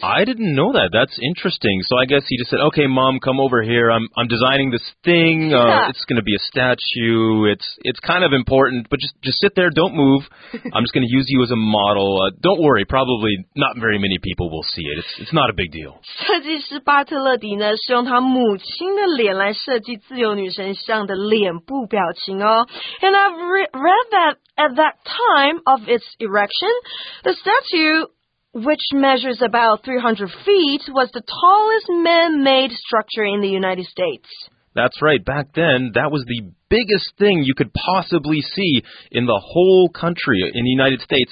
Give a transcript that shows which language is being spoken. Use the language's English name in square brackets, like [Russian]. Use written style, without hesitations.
[English] I didn't know that. That's interesting. So I guess he just said, okay, Mom, come over here. I'm designing this thing. Yeah. It's going to be a statue. It's kind of important, but just sit there. Don't move. I'm just going to use you as a model. Don't worry. Probably not very many people will see it. It's not a big deal. [Chinese] 设计师巴特勒迪呢是用他母亲的脸来设计自由女神像的脸部表情哦。 [English] And I've read that at that time of its erection, the statue, which measures about 300 feet, was the tallest man-made structure in the United States. That's right. Back then, that was the biggest thing you could possibly see in the whole country in the United States.